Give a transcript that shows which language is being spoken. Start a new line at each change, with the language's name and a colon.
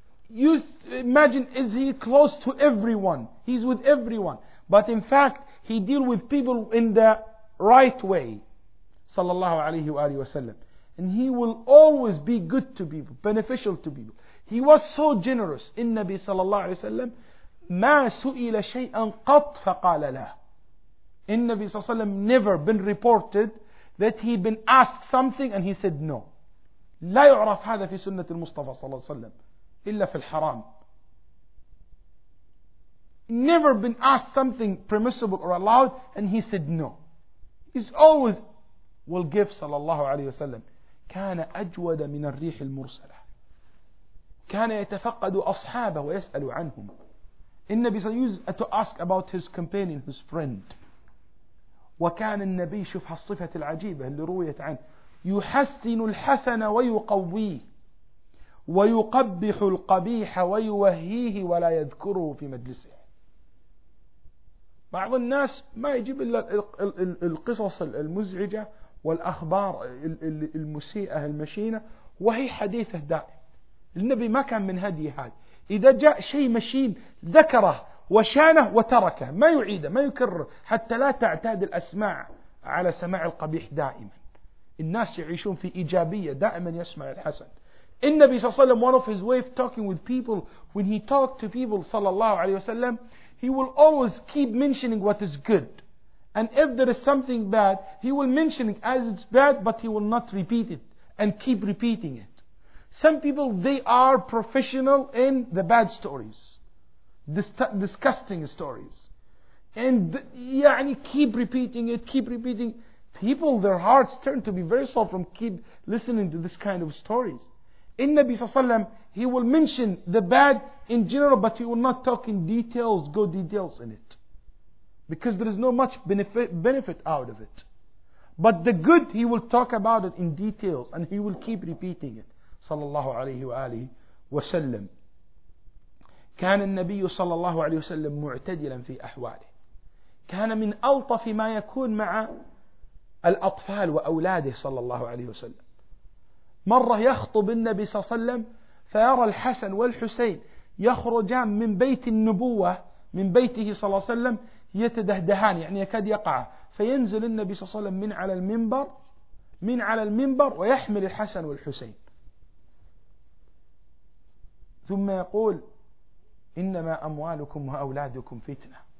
English: Imagine is he close to everyone, he's with everyone. But in fact, he deal with people in the right way,
Arabic: صلى الله عليه وآله وسلم.
English: And he will always be good to people, beneficial to people. He was so generous.
Arabic: النبي صلى الله عليه وسلم ما سئل شيئا قط فقال لا. النبي صلى الله عليه وسلم
English: never been reported that he been asked something and he said no.
Arabic: لا يعرف هذا في سنة المصطفى صلى الله عليه وسلم إلا في الحرام.
English: Never been asked something permissible or allowed and he said no. He's always will give
Arabic: صلى الله عليه وسلم كان أجود من الريح المرسلة. كان يتفقد أصحابه ويسأل عنهم. النبي صلى الله عليه وسلم
English: to ask about his companion, his friend.
Arabic: وكان النبي شوف هالصفة العجيبة اللي رويت عنه, يحسن الحسن ويقويه ويقبح القبيح ويوهيه ولا يذكره في مجلسه. بعض الناس ما يجيب إلا القصص المزعجة والأخبار المسيئة المشينة وهي حديثه دائم. النبي ما كان من هدي هذا, إذا جاء شيء مشين ذكره وشانه وتركه, ما يعيده ما يكرر حتى لا تعتاد الأسماع على سماع القبيح دائما. الناس يعيشون في إيجابية دائما يسمع الحسن. النبي صلى الله عليه وسلم,
English: one of his way of talking with people, when he talked to people
Arabic: صلى الله عليه وسلم,
English: he will always keep mentioning what is good, and if there is something bad, he will mention it as it's bad, but he will not repeat it and keep repeating it. Some people, they are professional in the bad stories, disgusting stories, and يعني keep repeating it, keep repeating. People, their hearts turn to be very soft from keep listening to this kind of stories.
Arabic: النبي صلى الله عليه وسلم,
English: he will mention the bad in general, but he will not talk in details, go details in it, because there is no much benefit out of it. But the good, he will talk about it in details, and he will keep repeating it.
Arabic: صلى الله عليه وآله وسلم. كان النبي صلى الله عليه وسلم معتدلا في أحواله. كان من ألطف ما يكون مع الأطفال وأولاده صلى الله عليه وسلم. مرة يخطب النبي صلى الله عليه وسلم فيرى الحسن والحسين يخرجان من بيت النبوة, من بيته صلى الله عليه وسلم, يتدهدهان يعني يكاد يقع, فينزل النبي صلى الله عليه وسلم من على المنبر, من على المنبر, ويحمل الحسن والحسين, ثم يقول إنما أموالكم وأولادكم فتنة.